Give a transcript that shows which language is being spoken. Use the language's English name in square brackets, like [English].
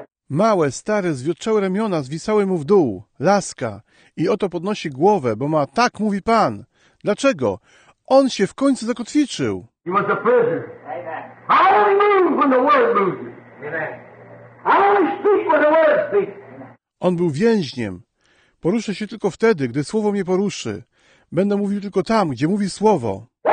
[Polish] Małe, stare, zwiotczałe ramiona zwisały mu w dół, laska, i oto podnosi głowę, bo ma, tak mówi Pan. Dlaczego? On się w końcu zakotwiczył. [English] He was a prisoner. Amen. I only move when the word moves. Amen. I only speak when the word speaks. [Polish] On był więźniem. Poruszę się tylko wtedy, gdy słowo mnie poruszy. będę mówił tylko tam, gdzie mówi słowo.